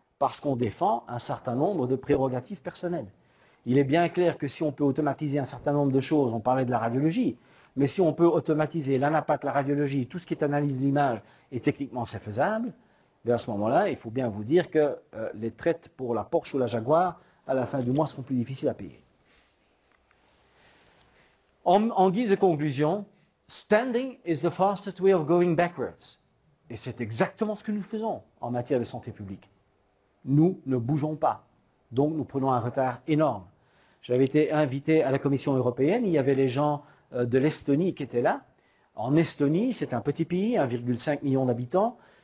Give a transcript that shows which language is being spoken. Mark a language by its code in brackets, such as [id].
[fr] Parce qu'on défend un certain nombre de prérogatives personnelles. Il est bien clair que si on peut automatiser un certain nombre de choses, on parlait de la radiologie, mais si on peut automatiser l'anapath, la radiologie, tout ce qui est analyse de l'image, et techniquement c'est faisable, mais à ce moment-là, il faut bien vous dire que les traites pour la Porsche ou la Jaguar, à la fin du mois, seront plus difficiles à payer. En guise de conclusion, [en] standing is the fastest way of going backwards. [fr] Et c'est exactement ce que nous faisons en matière de santé publique. Nous ne bougeons pas. Donc nous prenons un retard énorme. J'avais été invité à la Commission européenne, il y avait les gens de l'Estonie qui étaient là. En Estonie, c'est un petit pays, 1,5 million d'habitants.